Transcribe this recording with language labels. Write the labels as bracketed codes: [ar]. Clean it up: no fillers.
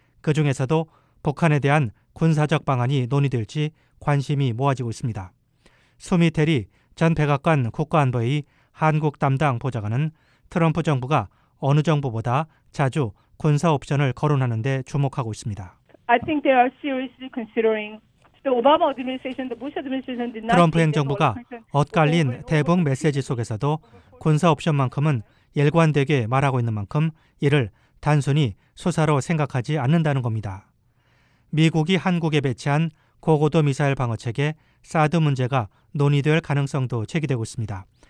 [ko] 그 중에서도 북한에 대한 군사적 방안이 논의될지 관심이 모아지고 있습니다. 수미 테리 전 백악관 국가안보의 한국 담당 보좌관은 트럼프 정부가 어느 정부보다 자주 군사 옵션을 거론하는 데 주목하고 있습니다. [en] I think they are seriously considering the Obama administration, the Bush administration did not. [ko] 트럼프 행정부가 엇갈린 대북 메시지 속에서도 군사 옵션만큼은 일관되게 말하고 있는 만큼 이를 단순히 수사로 생각하지 않는다는 겁니다. 미국이 한국에 배치한 고고도 미사일 방어체계 사드 문제가 논의될 가능성도 제기되고 있습니다.